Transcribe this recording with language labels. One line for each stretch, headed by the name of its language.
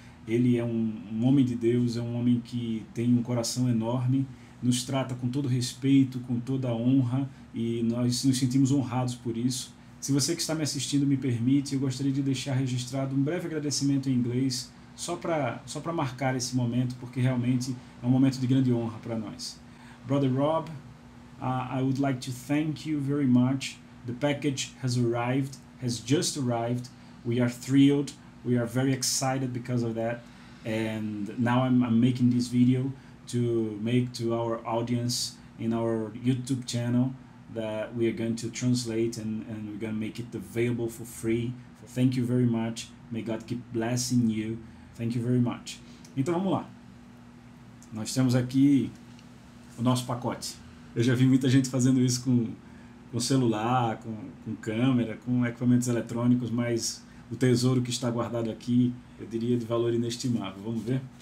Portuguese: Ele é um homem de Deus, é um homem que tem um coração enorme, nos trata com todo respeito, com toda honra, e nós nos sentimos honrados por isso. Se você que está me assistindo me permite, eu gostaria de deixar registrado um breve agradecimento em inglês, só para marcar esse momento, porque realmente é um momento de grande honra para nós.
English: Brother Rob, I would like to thank you very much. The package has arrived, has just arrived. We are thrilled. We are very excited because of that. And now I'm making this video to make to our audience in our YouTube channel that we are going to translate and we're going to make it available for free. Thank you very much. May God keep blessing you. Thank you very much.
Portuguese: Então vamos lá. Nós temos aqui o nosso pacote. Eu já vi muita gente fazendo isso com celular, com câmera, com equipamentos eletrônicos, mas o tesouro que está guardado aqui, eu diria de valor inestimável. Vamos ver?